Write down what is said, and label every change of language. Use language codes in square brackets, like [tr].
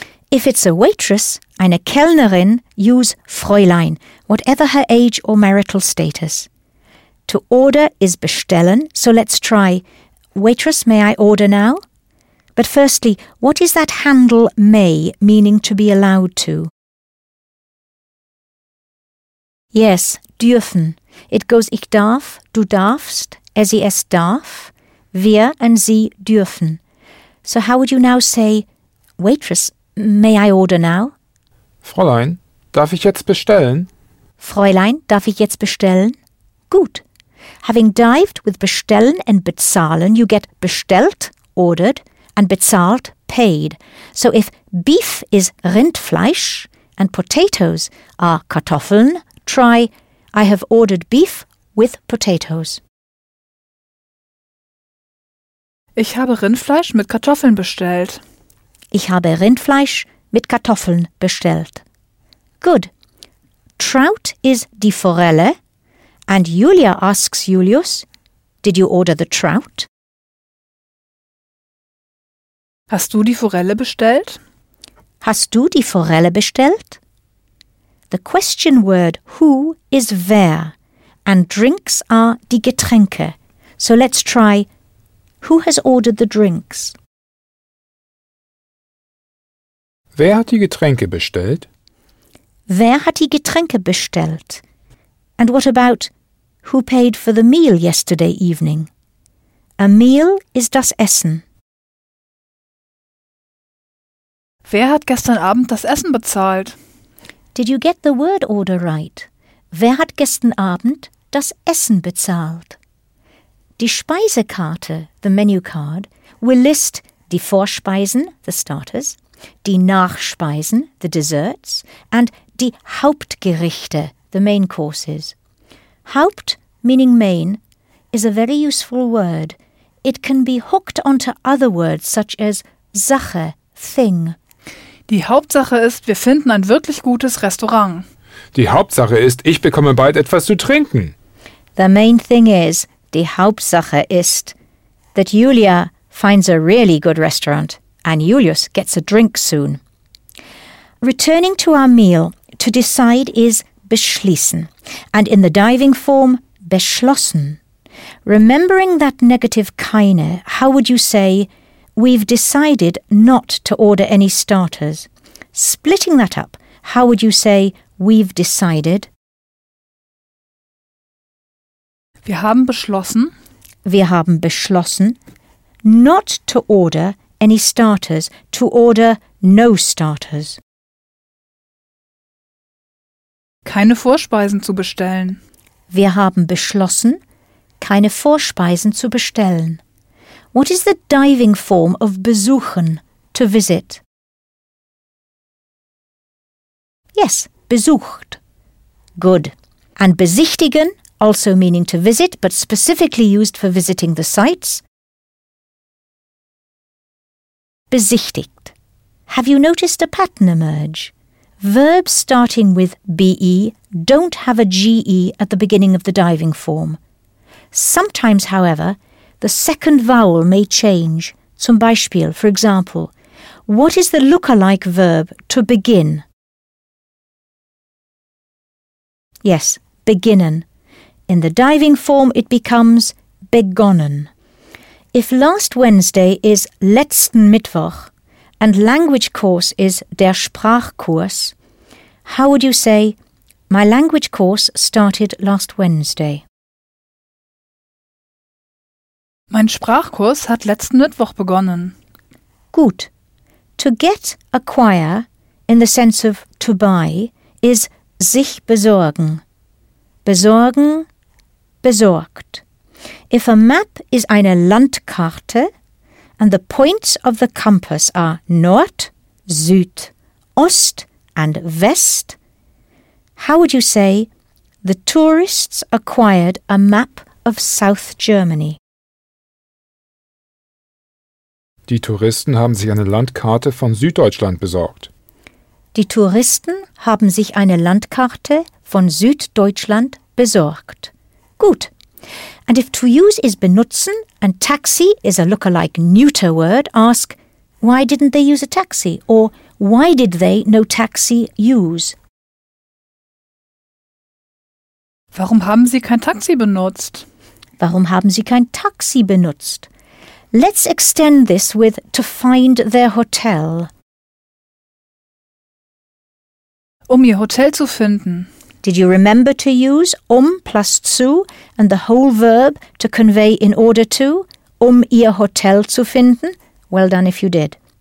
[en] If it's a waitress, eine Kellnerin, use Fräulein, whatever her age or marital status. To order is bestellen, so let's try. Waitress, may I order now? But firstly, what is that handle may, meaning to be allowed to? Yes, [de] dürfen. [en] It goes [de] ich darf, du darfst, er sie es darf, wir and sie dürfen. [en] So how would you now say, waitress, may I order now? [de] Fräulein, darf ich jetzt bestellen? Fräulein, darf ich jetzt bestellen? Gut. [en] Having dived with bestellen and bezahlen, you get bestellt, ordered, and bezahlt, paid. So if beef is Rindfleisch and potatoes are Kartoffeln, try, I have ordered beef with potatoes. [de] Ich habe Rindfleisch mit Kartoffeln bestellt. Ich habe Rindfleisch mit Kartoffeln bestellt. [en] Good. Trout is die Forelle. And Julia asks Julius, did you order the trout? [de] Hast du die Forelle bestellt? Hast du die Forelle bestellt? [en] The question word who is wer, and drinks are die Getränke. So let's try, who has ordered the drinks? [de] Wer hat die Getränke bestellt? Wer hat die Getränke bestellt? [en] And what about, who paid for the meal yesterday evening? A meal is das Essen. [de] Wer hat gestern Abend das Essen bezahlt? [en] Did you get the word order right? [de] Wer hat gestern Abend das Essen bezahlt? [en] Die Speisekarte, the menu card, will list die Vorspeisen, the starters, die Nachspeisen, the desserts, and die Hauptgerichte, the main courses. Haupt, meaning main, is a very useful word. It can be hooked onto other words such as Sache, thing. [de] Die Hauptsache ist, wir finden ein wirklich gutes Restaurant. Die Hauptsache ist, ich bekomme bald etwas zu trinken. [en] The main thing is, [de] die Hauptsache ist, [en] that Julia finds a really good restaurant and Julius gets a drink soon. Returning to our meal, to decide is beschließen. And in the diving form, beschlossen. Remembering that negative keine, how would you say, we've decided not to order any starters. Splitting that up, how would you say, we've decided? [de] Wir haben beschlossen. Wir haben beschlossen. [en] Not to order any starters. To order no starters. [de] Keine Vorspeisen zu bestellen. Wir haben beschlossen, keine Vorspeisen zu bestellen. [en] What is the diving form of besuchen, to visit? Yes, besucht. Good. And besichtigen, also meaning to visit, but specifically used for visiting the sites. Besichtigt. Have you noticed a pattern emerge? Verbs starting with be don't have a ge at the beginning of the diving form. Sometimes, however, the second vowel may change. [de] Zum Beispiel, [en] for example, what is the look-alike verb to begin? Yes, beginnen. In the diving form, it becomes begonnen. If last Wednesday is letzten Mittwoch and language course is der Sprachkurs, how would you say, my language course started last Wednesday? [de] Mein Sprachkurs hat letzten Mittwoch begonnen. Gut. [en] To get, acquire, in the sense of to buy, is sich besorgen. Besorgen, besorgt. If a map is eine Landkarte, and the points of the compass are Nord, Süd, Ost and West. How would you say the tourists acquired a map of South Germany? [de] Die Touristen haben sich eine Landkarte von Süddeutschland besorgt. Die Touristen haben sich eine Landkarte von Süddeutschland besorgt. Gut. [en] And if to use is benutzen and taxi is a lookalike neuter word, ask, why didn't they use a taxi? Or why did they no taxi use? [de] Warum haben sie kein Taxi benutzt? Warum haben sie kein Taxi benutzt? [en] Let's extend this with to find their hotel. [de] Um ihr Hotel zu finden. [en] Did you remember to use plus zu and the whole verb to convey in order to, [de] ihr Hotel zu finden? [en] Well done if you did.